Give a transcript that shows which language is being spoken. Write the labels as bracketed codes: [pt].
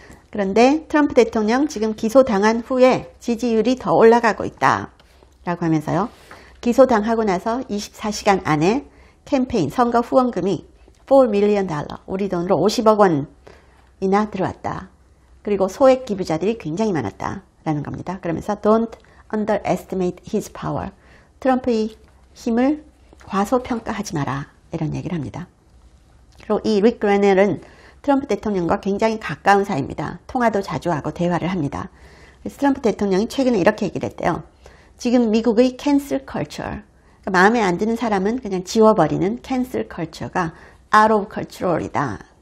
[ko] 그런데 트럼프 대통령 지금 기소당한 후에 지지율이 더 올라가고 있다. 라고 하면서요. 기소당하고 나서 24시간 안에 캠페인 선거 후원금이 4밀리언 달러, 우리 돈으로 50억 원이나 들어왔다. 그리고 소액 기부자들이 굉장히 많았다. 라는 겁니다. 그러면서 [en] Don't underestimate his power. [ko] 트럼프의 힘을 과소평가하지 마라. 이런 얘기를 합니다. 그리고 이 릭 그레넬은 트럼프 대통령과 굉장히 가까운 사이입니다. 통화도 자주 하고 대화를 합니다. 그래서 트럼프 대통령이 최근에 이렇게 얘기를 했대요. 지금 미국의 cancel culture, 그러니까 마음에 안 드는 사람은 그냥 지워버리는 cancel culture가 [en] out of control [ko] 이다.